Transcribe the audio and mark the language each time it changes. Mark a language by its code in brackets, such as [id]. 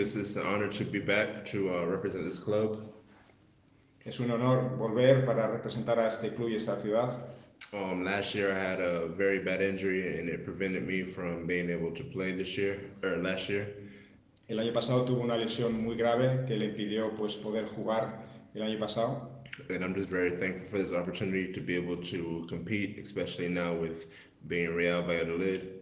[en] It's an honor to be back to represent this club. [es] Es un honor volver para representar a este club y esta ciudad. [en] Last year I had a very bad injury and it prevented me from being able to play this year or last year. [es] El año pasado tuvo una lesión muy grave que le impidió pues poder jugar el año pasado. [en] And I'm just very thankful for this opportunity to be able to compete, especially now with being Real Valladolid.